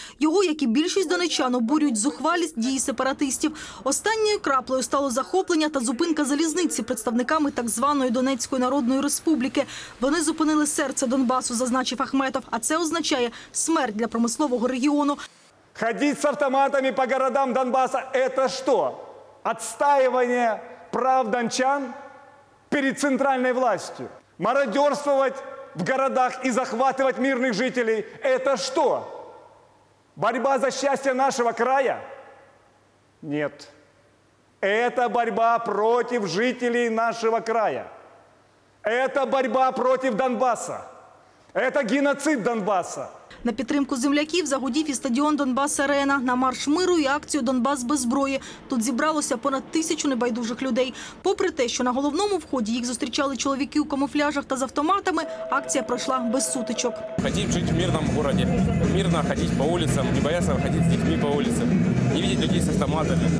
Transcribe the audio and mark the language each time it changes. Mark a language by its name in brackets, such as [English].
[Ukrainian] Його, як і більшість донечан, обурюють зухвалість дії сепаратистів. Останньою краплею стало захоплення та зупинка залізниці представниками так званої Донецької Народної Республіки. Вони зупинили серце Донбасу, зазначив Ахметов. А це означає смерть для промислового регіону. [Russian] Ходить с автоматами по городам Донбасса – это что? Отстаивание прав дончан перед центральной властью? Мародерствовать в городах и захватывать мирных жителей – это что? Борьба за счастье нашего края? Нет. Это борьба против жителей нашего края. Это борьба против Донбасса. Это геноцид Донбасса. [Ukrainian] На підтримку земляків загудів і стадіон «Донбас-Арена». На марш миру і акцію «Донбас без зброї». Тут зібралося понад 1000 небайдужих людей. Попри те, що на головному вході їх зустрічали чоловіки у камуфляжах та з автоматами, акція пройшла без сутичок. Хочемо жити в мирному місті, мирно ходити по вулицям, не боятися ходити з дітьми по вулицям, не бачити людей з автоматами.